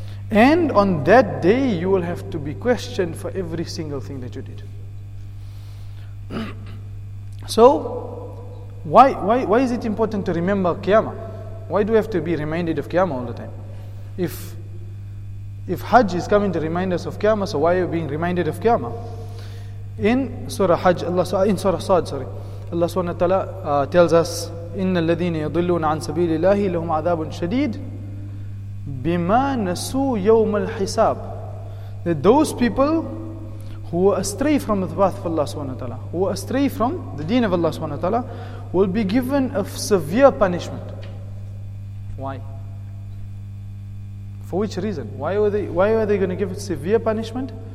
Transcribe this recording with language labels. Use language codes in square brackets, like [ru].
[en] And on that day, you will have to be questioned for every single thing that you did. So, why is it important to remember Qiyamah? Why do we have to be reminded of Qiyamah all the time? If Hajj is coming to remind us of Qiyamah, so why are we being reminded of Qiyamah? In Surah Hajj, in Surah Sad, Allah subhanahu wa ta'ala tells us, [ar] إِنَّ الَّذِينَ يَضِلُّونَ عَن سَبِيلِ اللَّهِ لَهُمْ عَذَابٌ شَدِيدٌ بِمَا نَسُوا يَوْمَ الْحِسَابِ. [en] That those people who are astray from the path of Allah subhanahu wa ta'ala, who are astray from the deen of Allah subhanahu wa ta'ala, will be given a severe punishment. Why? For which reason? Why are they going to give a severe punishment?